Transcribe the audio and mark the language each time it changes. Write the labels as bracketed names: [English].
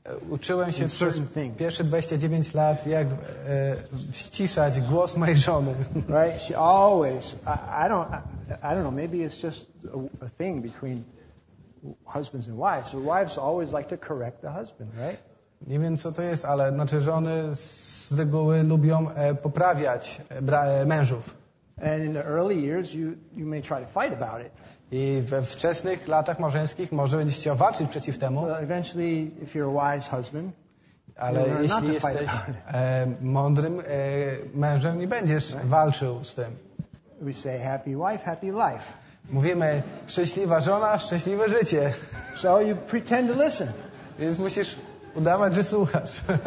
[Polish] Uczyłem się przez pierwsze 29 lat, jak ściszać głos mojej żony. [English] Right? She always. I don't know. Maybe it's just a thing between husbands and wives. The wives always like to correct the husband, right? [Polish] Nie wiem, co to jest, ale znaczy żony z reguły lubią poprawiać mężów. [English] And in the early years, you may try to fight about it. [Polish] I we wczesnych latach małżeńskich może będziesz chciał walczyć przeciw temu. [English] Well, eventually, if you're a wise husband, [Polish] ale jeśli jesteś mądrym mężem, nie będziesz walczył z tym. [English] We say, happy wife, happy life. [Polish] Mówimy, szczęśliwa żona, szczęśliwe życie. [English] So you pretend to listen. [Polish] Więc musisz udawać, że słuchasz.